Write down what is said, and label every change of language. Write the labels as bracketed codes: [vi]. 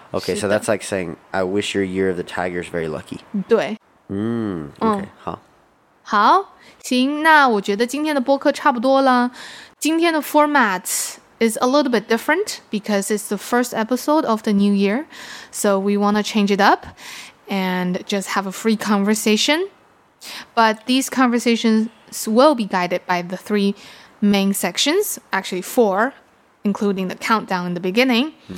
[en] OK， so that's like saying I wish your year of the tiger is very lucky。 [zh] 对。 OK， 好。好，行，那我觉得今天的播客差不多了。 [en] 今天的 format is a little bit different because it's the first episode of the new year, so we want to change it up and just have a free conversation. But these conversations will be guided by the three main sections, actually four, including the countdown in the beginning.